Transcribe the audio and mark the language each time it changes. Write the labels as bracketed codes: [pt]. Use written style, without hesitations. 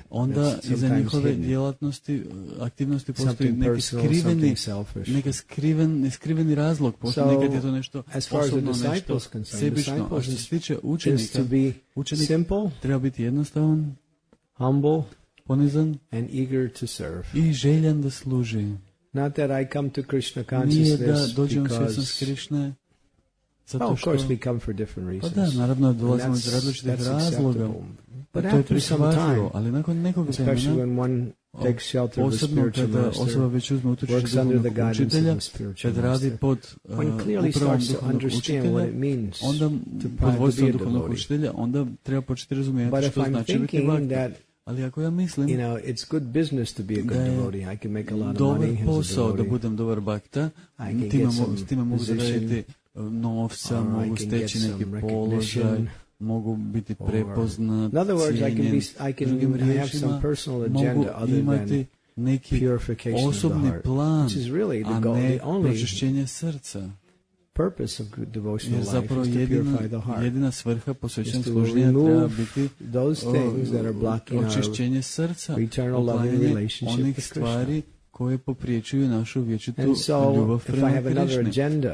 [hr] Onda iza njihove djelatnosti, aktivnosti postoji neki skriveni, neki skriveni razlog, postoji nekad je to nešto osobno, nešto sebično. A što se tiče učenika, učenik treba biti jednostavan, [en] humble, [hr] ponizan, [en] and eager to serve. [hr] I željan da služi. [en] Not that I come to Krishna consciousness. [hr] Nije da dođem svjesno s Krišne. [en] Of course we come for different reasons. [hr] Pa da, naravno dolazimo iz različitih razloga. [en] But [hr] to je prihvatljivo, ali nakon nekog vremena, [en] especially when one takes shelter of the spiritual master, works under the guidance of the spiritual master, [hr] radi pod upravom duhovnog učitelja, onda pod vođstvom duhovnog učitelja, onda treba početi razumijeti što znači biti bhakti. Ali ako ja mislim, [en] you know, it's good business to be a good devotee. I can make a lot of money as a devotee. [hr] Dobar posao da budem dobar bakta. S time mogu zaraditi novca, mogu steći neki položaj, mogu biti prepoznat, cijenjen. Drugim riječima, mogu imati neki osobni plan, a ne pročišćenje srca. [en] Purpose of devotional life is to purify [hr] jedina, [en] the heart. [hr] Jedina svrha posvećenog služenja treba biti [en] those things that are blocking [hr] očišćenje srca, [en] eternal loving relationship with Krishna. [hr] Onih stvari koje popriječuju našu vječitu ljubav prema Krišni.